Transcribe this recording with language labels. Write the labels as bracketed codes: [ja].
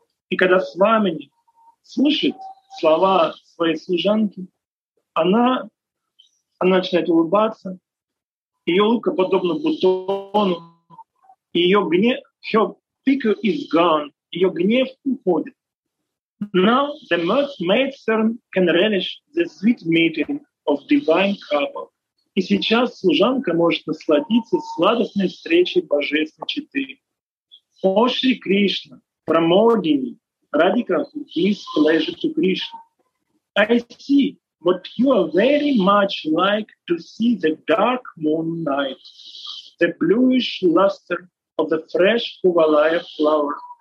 [ru] И когда Свамини слышит слова своей служанки, она начинает улыбаться. Ее улыбка подобна бутону. Ее гнев, [en] her pique is gone. [ru] Ее гнев уходит. [en] Now the maidservant can relish the sweet meeting of divine couple. [ru] И сейчас служанка может насладиться сладостной встречей божественной четы. [en] О, Шри Кришна, Прамодини, Radhika gives pleasure to Krishna. I see, but you are very much like to see the dark moon night, the bluish luster of the fresh Kuvalaya flower,